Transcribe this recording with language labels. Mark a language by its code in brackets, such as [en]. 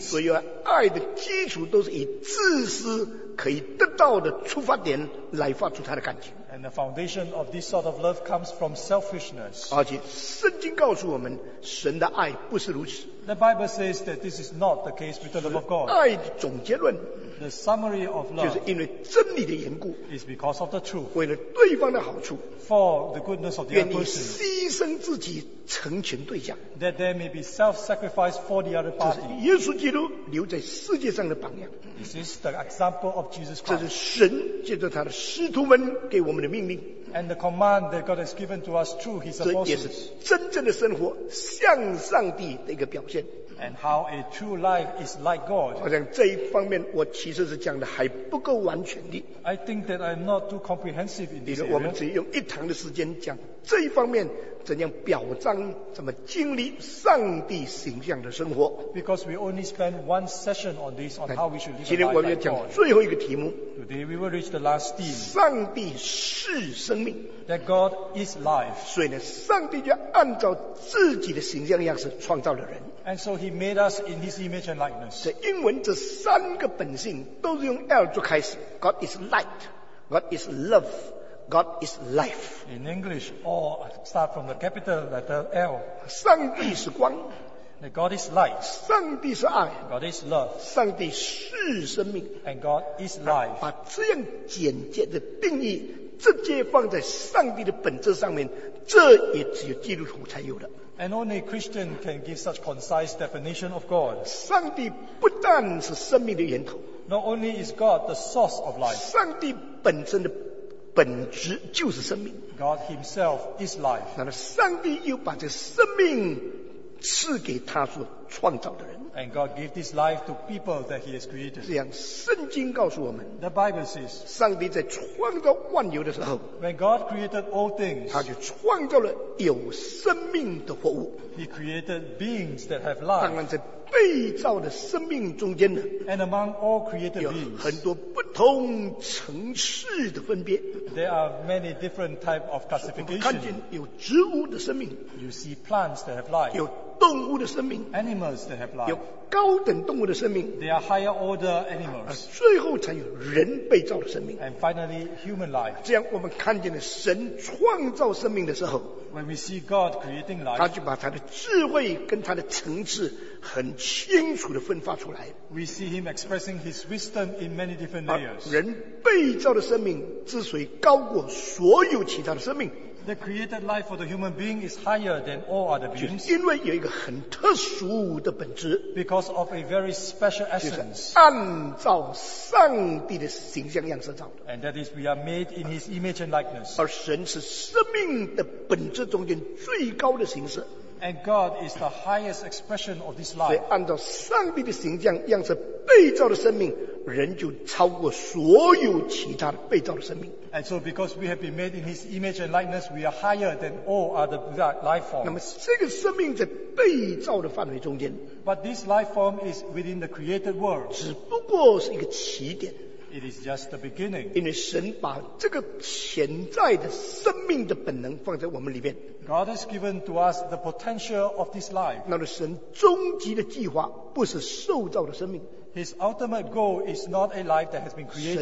[zh] 所以爱的基础都是以自私可以得到的出发点来发出他的感情。 [en] And the foundation of this sort of love comes from selfishness. [zh] 而且圣经告诉我们，神的爱不是如此。 [en] The Bible says that this is not the case with the love of God. [zh] 爱的总结论。 [en] The summary of love [zh] 就是因为真理的缘故 [en] is because of the truth, [zh] 为了对方的好处 [en] for the goodness of the other person, [zh] 愿意牺牲自己成全对象 [en] that there may be self-sacrifice for the other party. [zh] 这是耶稣基督留在世界上的榜样 [en] This is the example of Jesus Christ. [zh] 这是神借着他的使徒们给我们的命令 [en] And the command that God has given to us through his apostles. [zh] 这也是真正的生活向上帝的一个表现 [en] And how a true life is like God. [zh] 我想这一方面我其实是讲的还不够完全的。 [en] I think that I'm not too comprehensive in this area. [zh] 我们只用一堂的时间讲这一方面怎样表彰，怎么经历上帝形象的生活。 [en] Because we only spend one session on this, on how we should live like God. [zh] 今天我们要讲最后一个题目。 [en] Today we will reach the last theme. [zh] 上帝是生命。 [en] That God is life. [zh] 所以呢，上帝就按照自己的形象样式创造了人。 [en] And so he made us in his image and likeness. [zh] 这英文这三个本性都是用 L 做开始。 [en] God is light. God is love. God is life. In English, all start from the capital letter L. [zh] 上帝是光。 [en] That God is light. [zh] 上帝是爱。 [en] God is love. [zh] 上帝是生命。 [en] And God is life. [zh] 把这样简洁的定义直接放在上帝的本质上面，这也只有基督徒才有的。 [en] And only a Christian can give such concise definition of God. [zh] 上帝不但是生命的源头。 [en] Not only is God the source of life. [zh] 上帝本身的本质就是生命。 [en] God himself is life. [zh] 那么上帝又把这生命赐给他所创造的人。 [en] And God gave this life to people that he has created. [zh] 这样圣经告诉我们。 [en] The Bible says. [zh] 上帝在创造万有的时候。 [en] When God created all things. [zh] 他就创造了有生命的活物。 [en] He created beings that have life. [zh] 当然在被造的生命中间呢。 [en] And among all created beings. [zh] 有很多不同层次的分别。 [en] There are many different types of classification. [zh] 看见有植物的生命。 [en] You see plants that have life. [zh] 有动物的生命 [en] animals that have life, [zh] 有高等动物的生命 [en] they are higher order animals, [zh] 最后才有人被造的生命 [en] and finally, human life. [zh] 这样我们看见了神创造生命的时候 [en] When we see God creating life, [zh] 他就把他的智慧跟他的层次很清楚地分发出来 [en] We see him expressing his wisdom in many different layers. [zh] 人被造的生命之所以高过所有其他的生命 [en] The created life for the human being is higher than all other beings. [zh] 就是因为有一个很特殊的本质。 [en] Because of a very special essence. [zh] 就是按照上帝的形象样式造的。 [en] And that is we are made in his image and likeness. [zh] 而神是生命的本质中间最高的形式。 [en] And God is the highest expression of this life. [zh] 所以按照上帝的形象样式被造的生命人就超过所有其他的被造的生命。 [en] And so because we have been made in his image and likeness, we are higher than all other life forms. [zh] 那么这个生命在被造的范围中间。 [en] But this life form is within the created world. [zh] 只不过是一个起点。 [en] It is just the beginning. [zh] 因为神把这个潜在的生命的本能放在我们里面。 [en] God has given to us the potential of this life. [zh] 那么神终极的计划不是受造的生命。 [en] His ultimate goal is not a life that has been created.